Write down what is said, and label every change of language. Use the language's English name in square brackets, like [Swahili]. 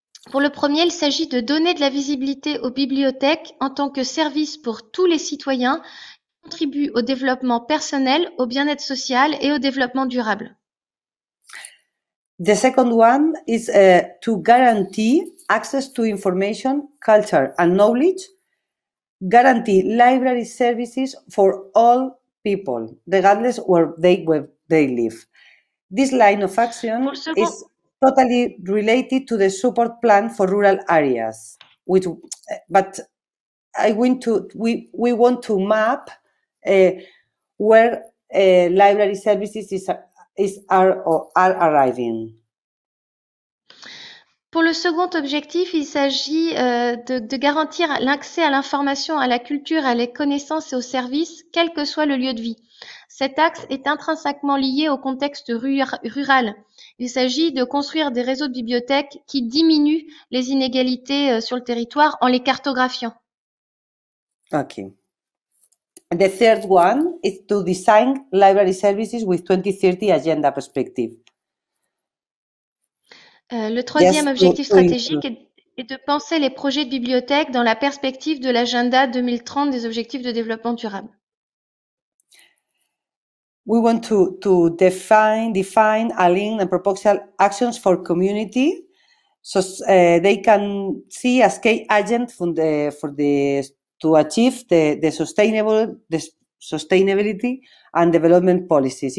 [French] Pour le premier, il s'agit de donner de la visibilité aux bibliothèques en tant que service pour tous les citoyens qui contribuent au développement personnel, au bien-être social et au développement durable. [English] The second one is to guarantee access to information, culture and knowledge, guarantee library services for all people, regardless where they live. This line of action is totally related to the support plan for rural areas, but we want to map where library services are arriving. [French] Pour le second objectif, il s'agit de garantir l'accès à l'information, à la culture, à les connaissances et aux services, quel que soit le lieu de vie. Cet axe est intrinsèquement lié au contexte rural. Il s'agit de construire des réseaux de bibliothèques qui diminuent les inégalités sur le territoire en les cartographiant. [English] OK. The third one is to design library services with 2030 agenda perspective. [French] Le troisième objectif stratégique est de penser les projets de bibliothèque dans la perspective de l'agenda 2030 des objectifs de développement durable. [English] We want to define, align and propose actions for community so they can see as key agent to achieve the sustainability and development policies.